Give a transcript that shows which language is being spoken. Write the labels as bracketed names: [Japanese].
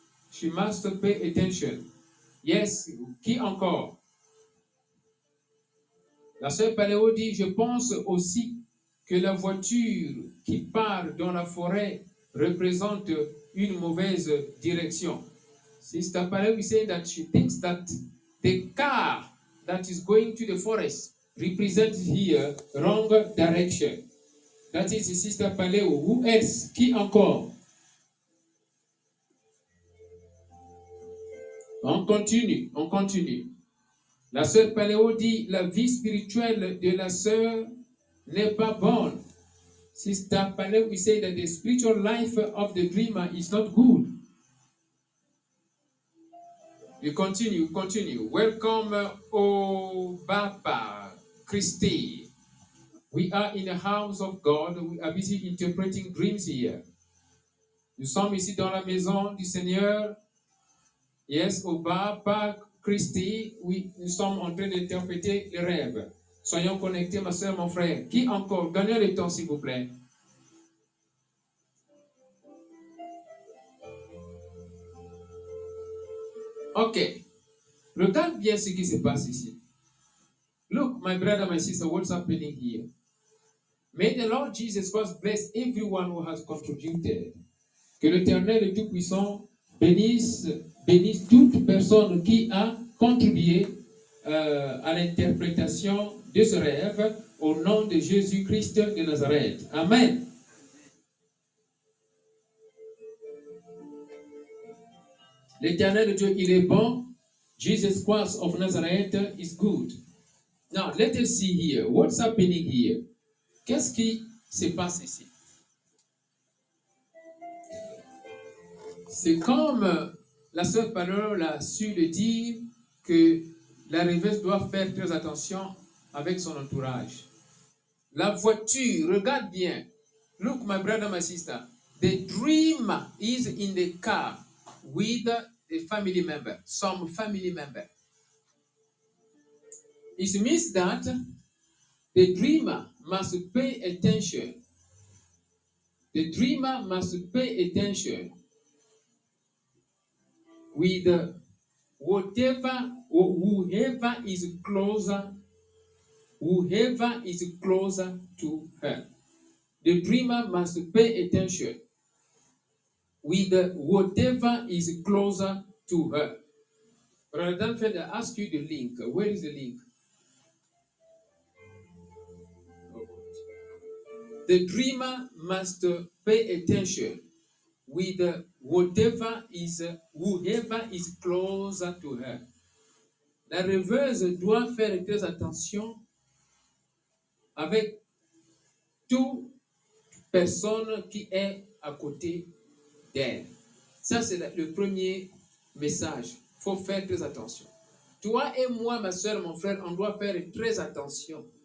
[English] She must pay attention. Yes, [French] qui encore? La sœur Paléo dit, je pense aussi que la voiture qui part dans la forêt représente une mauvaise direction. [English] Sister Paléo, [French] il sait [English] that she thinks that the car that is going to the forest represents here wrong direction. That is Sister Paléo. Who else? [French] Qui encore? On continue. La sœur Paléo dit, la vie spirituelle de la sœur n'est pas bonne. [English] Sister Paléo, we say that the spiritual life of the dreamer is not good. We continue. Welcome, Obapa Christy. We are in the house of God. We are busy interpreting dreams here. [French] Nous sommes ici dans la maison du Seigneur. Yes, Obapa Christy, oui, nous sommes en train d'interpréter les rêves. Soyons connectés, ma soeur, mon frère. Qui encore? Gagnez le temps, s'il vous plaît. [English] Ok. [French] Regarde bien ce qui se passe ici. [English] Look, my brother, my sister, what's happening here? May the Lord Jesus Christ bless everyone who has contributed. [French] Que l'Éternel le Tout-Puissant bénisse toute personne qui a contribué à l'interprétation de ce rêve au nom de Jésus-Christ de Nazareth. Amen. L'Éternel de Dieu, il est bon. [English] Jesus Christ of Nazareth is good. Now, let us see here. What's happening here? [French] Qu'est-ce qui se passe ici? C'est comme la sœur Parole a su le dire que la rêveuse doit faire très attention avec son entourage. La voiture, regarde bien. [English] Look, my brother, my sister. The dream is in the car with a family member, some family member. It means that the dreamer must pay attention. The dreamer must pay attention with whatever or whoever is closer to her. The dreamer must pay attention with whatever is closer to her. Brother Danfeld, I ask you the link. Where is the link? The dreamer must pay attention with whoever is closer to her. [French] La rêveuse doit faire très attention avec toute personne qui est à côté d'elle. Ça, c'est le premier message. Il faut faire très attention. Toi et moi, ma soeur, mon frère, on doit faire très attention.